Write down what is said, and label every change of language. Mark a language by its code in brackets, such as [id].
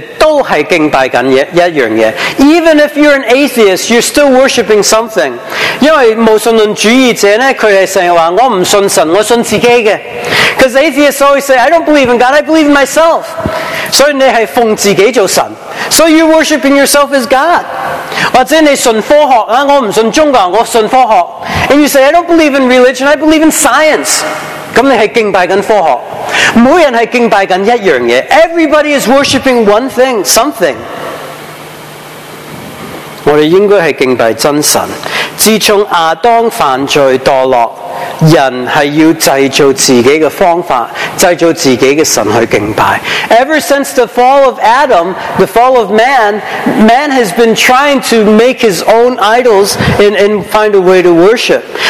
[zh] 我们就算是无神论主义者,都是敬拜一样的. [en] Even if you're an atheist, you're still worshipping something. [zh] 因为无神论主义者呢,他们经常说,我不信神,我信自己的. [en] Because atheists always say, I don't believe in God, I believe in myself. [zh] 所以你是奉自己做神. [en] So you're worshipping yourself as God. [zh] 或者你信科学,我不信宗教,我信科学. [en] And you say, I don't believe in religion, I believe in science. [zh] 那你是敬拜科学. 每人是敬拜一样的. [en] Everybody is worshipping one thing, something. [zh] 我们应该是敬拜真神. 自从亚当犯罪堕落, 人是要制造自己的方法,制造自己的神去敬拜. [en] Ever since the fall of Adam, the fall of man, man has been trying to make his own idols and find a way to worship.